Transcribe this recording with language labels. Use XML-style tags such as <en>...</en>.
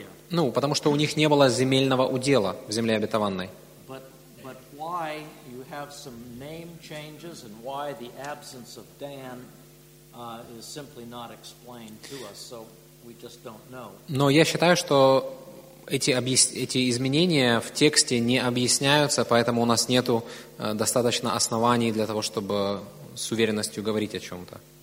<ru>Ну, потому что у них не было земельного удела в земле обетованной.</ru> <en>But why you have some name changes and why the absence of Dan is simply not explained to us, so we just don't know.</en> <ru>Но я считаю, что эти изменения в тексте не объясняются, поэтому у нас нету достаточно оснований для того, чтобы с уверенностью говорить о чем-то.</ru>